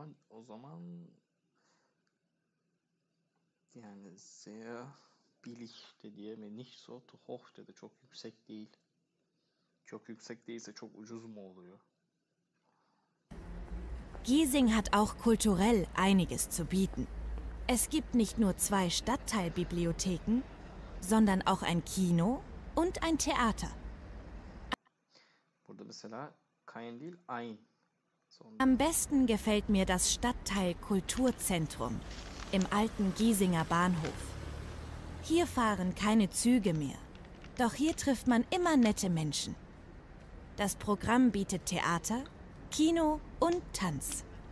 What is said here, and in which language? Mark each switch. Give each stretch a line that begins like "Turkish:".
Turkish: O zaman yani
German: sehr billig
Turkish: dedi mi?
German: Nicht so hoch,
Turkish: dedi. Çok yüksek değil. Çok yüksek değilse çok ucuz mu oluyor?
German: Giesing hat auch kulturell einiges zu bieten. Es gibt nicht nur zwei Stadtteilbibliotheken, sondern auch ein Kino und ein Theater.
Turkish: Burada mesela kein değil, ein.
German: Am besten gefällt mir das Stadtteil Kulturzentrum im alten Giesinger Bahnhof. Hier fahren keine Züge mehr. Doch hier trifft man immer nette Menschen. Das Programm bietet Theater, Kino und Tanz.